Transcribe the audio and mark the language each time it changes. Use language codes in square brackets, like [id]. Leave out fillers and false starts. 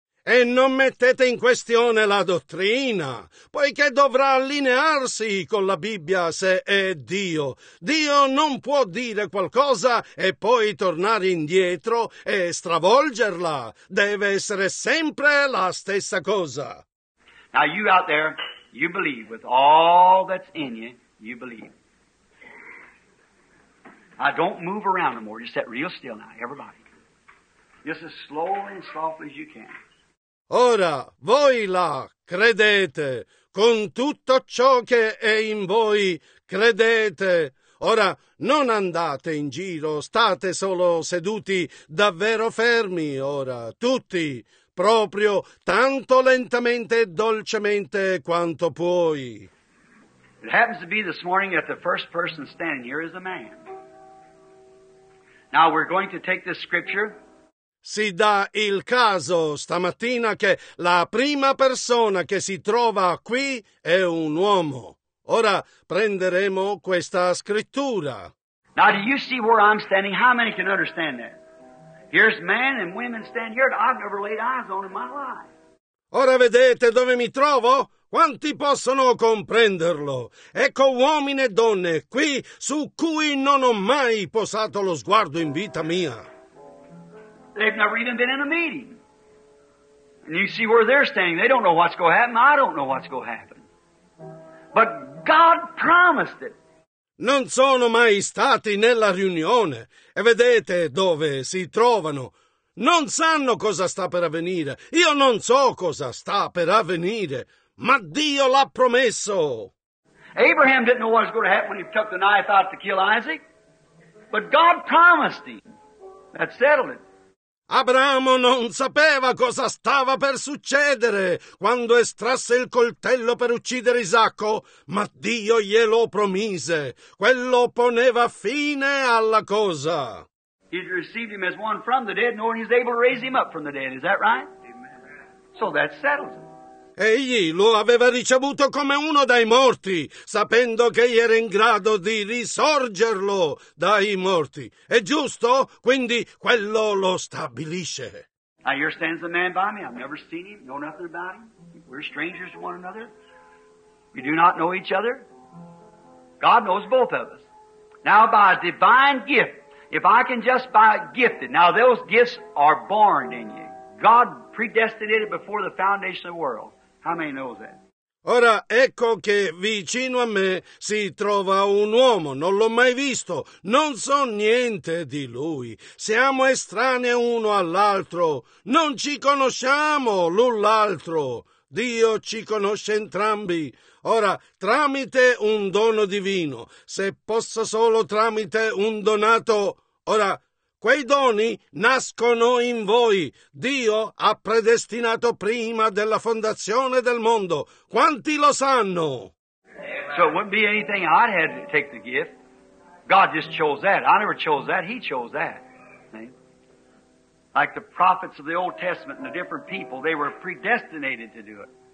[it] E non mettete in questione la dottrina, poiché dovrà allinearsi con la Bibbia se è Dio. Dio non può dire qualcosa e poi tornare indietro e stravolgerla. Deve essere sempre la stessa cosa. [en] Now you out there, you believe with all that's in you, you believe. I don't move around anymore. Just sit real still now, everybody. Just as slowly and softly as you can. [it] Ora, voi là, credete, con tutto ciò che è in voi, credete. Ora, non andate in giro, state solo seduti, davvero fermi, ora, tutti, proprio, tanto lentamente e dolcemente quanto puoi. [en] It happens to be this morning that the first person standing here is a man. Now we're going to take this scripture. [it] Si dà il caso stamattina che la prima persona che si trova qui è un uomo. Ora prenderemo questa scrittura. [en] Now do you see where I'm standing? How many can understand that? Here's men and women standing here that I've never laid eyes on in my life. [it] Ora vedete dove mi trovo? Quanti possono comprenderlo? Ecco uomini e donne qui su cui non ho mai posato lo sguardo in vita mia. [en] They've never even been in a meeting. And you see where they're standing. They don't know what's going to happen. I don't know what's going to happen. But God promised it. [it] Non sono mai stati nella riunione. E vedete dove si trovano. Non sanno cosa sta per avvenire. Io non so cosa sta per avvenire. Ma Dio l'ha promesso. [en] Abraham didn't know what was going to happen when he took the knife out to kill Isaac. But God promised him. That settled it. [it] Abramo non sapeva cosa stava per succedere quando estrasse il coltello per uccidere Isacco, ma Dio glielo promise. Quello poneva fine alla cosa. [en] He's received him as one from the dead, knowing he's able to raise him up from the dead. Is that right? Amen. So that settles it. [it] Egli lo aveva ricevuto come uno dai morti, sapendo che egli era in grado di risorgerlo dai morti. È giusto? Quindi quello lo stabilisce. [en] Now here stands a man by me. I've never seen him, know nothing about him. We're strangers to one another. We do not know each other. God knows both of us. Now by a divine gift, if I can just by gifted, now those gifts are born in you. God predestinated before the foundation of the world. How many know that? [it] Ora ecco che vicino a me si trova un uomo, non l'ho mai visto, non so niente di lui. Siamo estranei uno all'altro, non ci conosciamo l'un l'altro. Dio ci conosce entrambi. Ora, tramite un dono divino, se posso solo tramite un donato, ora, quei doni nascono in voi. Dio ha predestinato prima della fondazione del mondo. Quanti lo sanno? [en] So it wouldn't be anything I had to take the gift. God just chose that. I never chose that. He chose that. Like the prophets of the Old Testament and the different people, they were predestinated to do it.